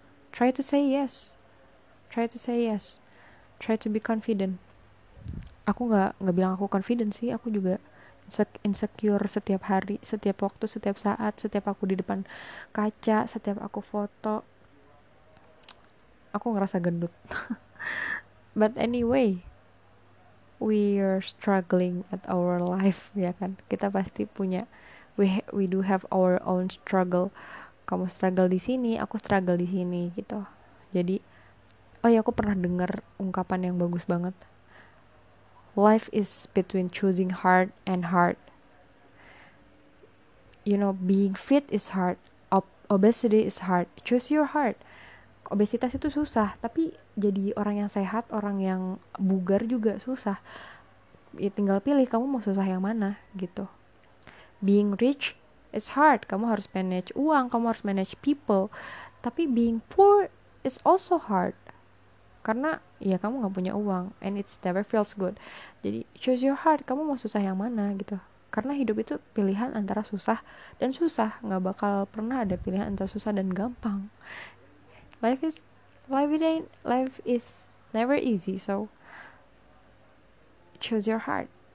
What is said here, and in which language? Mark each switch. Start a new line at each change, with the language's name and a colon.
English: Try to say yes. Try to say yes. Try to be confident.
Indonesian: Aku gak bilang aku confident sih. Aku juga insecure setiap hari, setiap waktu, setiap saat, setiap aku di depan kaca, setiap aku foto. Aku ngerasa gendut.
English: But anyway, we are struggling at our life,
Indonesian: ya kan? Kita pasti punya...
English: We do have our own struggle.
Indonesian: Kamu struggle di sini, aku struggle di sini gitu. Jadi, oh ya, aku pernah dengar ungkapan yang bagus banget.
English: Life is between choosing hard and hard. You know, being fit is hard, obesity is hard. Choose your heart.
Indonesian: Obesitas itu susah, tapi jadi orang yang sehat, orang yang bugar juga susah. Ya tinggal pilih kamu mau susah yang mana gitu.
English: Being rich is hard.
Indonesian: Kamu harus manage uang, kamu harus manage people.
English: Tapi being poor is also hard.
Indonesian: Karena ya kamu gak punya uang,
English: and it never feels good.
Indonesian: Jadi
English: choose your heart,
Indonesian: kamu mau susah yang mana gitu. Karena hidup itu pilihan antara susah dan susah. Gak bakal pernah ada pilihan antara susah dan gampang.
English: life is never easy, so choose your heart.